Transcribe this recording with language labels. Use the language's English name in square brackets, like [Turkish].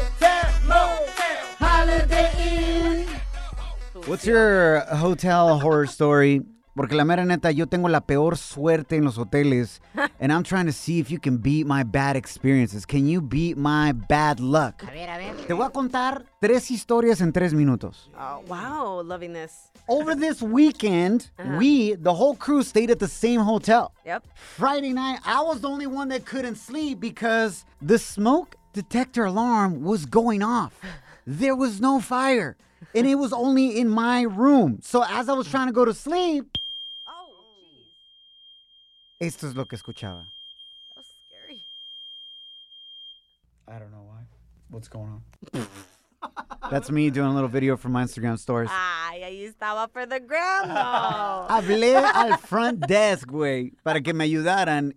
[English] Hotel, Motel, Holiday Inn. What's your hotel horror story? [Spanish] Porque la mera neta, yo tengo la peor suerte en los hoteles. [English] And I'm trying to see if you can beat my bad experiences. Can you beat my bad luck? [Spanish] A ver, a ver. Te voy a contar tres historias en tres minutos. [English] Oh, wow, loving this. Over this weekend, we, the whole crew, stayed at the same hotel. Yep. Friday night, I was the only one that couldn't sleep because the smoke detector alarm was going off. There was no fire. And it was only in my room. So as I was trying to go to sleep, oh, jeez. [Spanish] Esto es lo que escuchaba. [English] That was scary. I don't know why. What's going on? That's me doing a little video for my Instagram stories. Ah, [Spanish] ya estaba [English] for the gram, though. [Spanish] Hablé al [English] front desk, [Spanish] güey, para que me ayudaran.